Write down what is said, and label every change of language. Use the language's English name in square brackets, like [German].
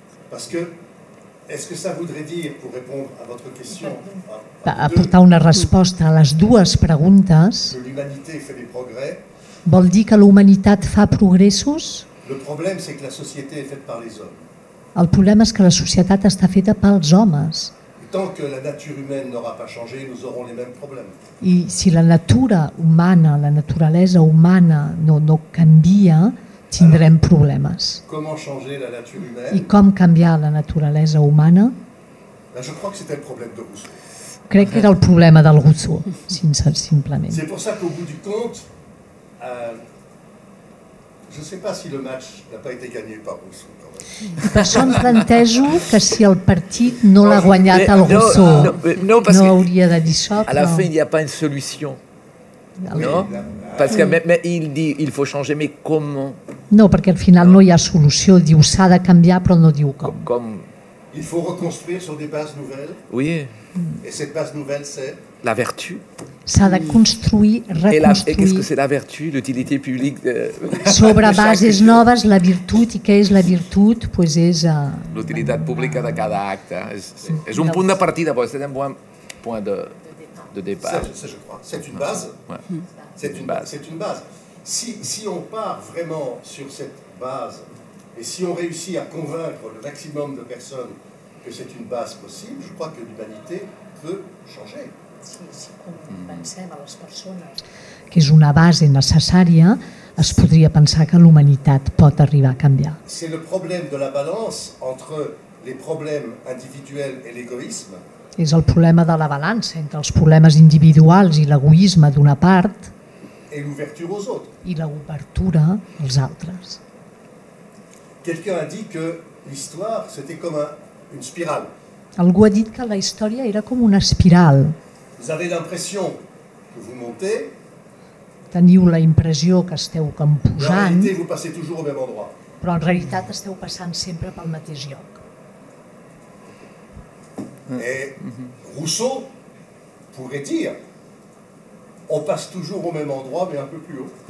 [French] Parce que, est-ce que ça voudrait dire, pour répondre à votre question, [Catalan] aportar una resposta a les dues preguntes, [French] que l'humanité fait des progrès, [Catalan] vol dir que la humanitat fa progressos? [French] Le problème, c'est que la société est faite par les hommes. [Catalan] El problema és que la societat està feta pels homes. [French] Tant que la nature humaine n'aura pas changé, nous aurons les mêmes problèmes. [Catalan] I si la natura humana, la naturalesa humana no canvia, tindrem problemes. [French] Comment changer la nature humaine? [Catalan] I com canviar la naturalesa humana? [French] Je crois que c'était le problème de Rousseau. [Catalan] Crec que era el problema del Rousseau, simplement. [French] C'est pour ça qu'au bout du compte, je sais pas si le match n'a pas été gagné par Rousseau. [Catalan] I per això em plantejo que si el partit no l'ha guanyat el Rousseau, no hauria de dir això. [French] A la fin, il n'y a pas une solution. No? Parce que il dit, il faut changer, mais comment? [Catalan] No, perquè al final no hi ha solució. Diu, s'ha de canviar, però no diu com. [French] Il faut reconstruir sur des bases nouvelles. Oui. Et cette base nouvelle, c'est... La vertu. [Catalan] S'ha de construir, reconstruir. [French] Et qu'est-ce que c'est la vertu, l'utilité publique de... [Catalan] Sobre bases noves, la virtut, i què és la virtut? Pues és... L'utilitat pública de cada acte. És un punt de partida, però és un bon punt [French] de départ. C'est une base. C'est une base. Si on part vraiment sur cette base, et si on réussit à convaincre le maximum de personnes que c'est une base possible, je crois que l'humanité peut changer. [Catalan] Que és una base necessària, es podria pensar que l'humanitat pot arribar a canviar. [French] C'est le problème de la balance entre les problèmes individuels et l'égoïsme. [Catalan] És el problema de la balança entre els problemes individuals i l'egoïsme d'una part [French] et l'ouverture aux autres. [Catalan] I l'obertura als altres. [French] Quelqu'un a dit que l'histoire c'était comme une spirale. [Catalan] Algú ha dit que la història era com una espiral. [French] Vous avez l'impression que vous montez. [Catalan] Teniu la impressió que esteu com pujant. [French] Vous passez toujours au même endroit. [Catalan] però en realitat esteu passant sempre pel mateix lloc. Rousseau podria dir: [French] on passe toujours au même endroit, mais un peu plus haut.